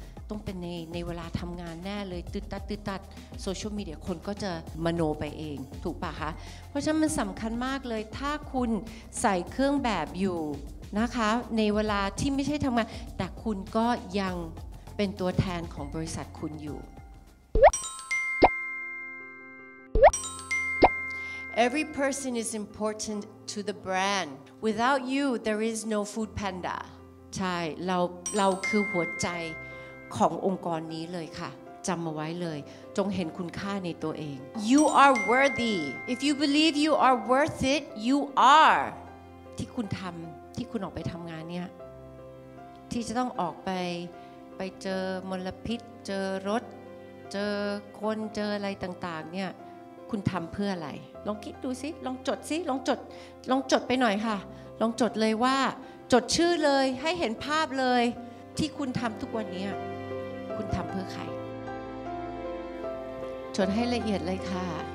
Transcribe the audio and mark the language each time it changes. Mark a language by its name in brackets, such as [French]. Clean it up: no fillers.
[Thai] ต้องเป็นในเวลาทำงานแน่เลยตึดตัดตึดตัดโซเชียลมีเดียคนก็จะมโนไปเองถูกป่ะคะเพราะฉะนั้นมันสำคัญมากเลยถ้าคุณใส่เครื่องแบบอยู่นะคะในเวลาที่ไม่ใช่ทำงานแต่คุณก็ยังเป็นตัวแทนของบริษัทคุณอยู่ [English] Every person is important to the brand. Without you, there is no Food Panda. [Thai] ใช่เราคือหัวใจขององค์กรนี้เลยค่ะจำเอาไว้เลยจงเห็นคุณค่าในตัวเอง [English] You are worthy. If you believe you are worth it, you are. [Thai] ที่คุณทำที่คุณออกไปทำงานเนี่ยที่จะต้องออกไปเจอมลพิษเจอรถเจอคนเจออะไรต่างๆเนี่ยคุณทำเพื่ออะไรลองคิดดูสิลองจดสิลองจดไปหน่อยค่ะลองจดเลยว่าจดชื่อเลยให้เห็นภาพเลยที่คุณทำทุกวันนี้คุณทำเพื่อใครจดให้ละเอียดเลยค่ะ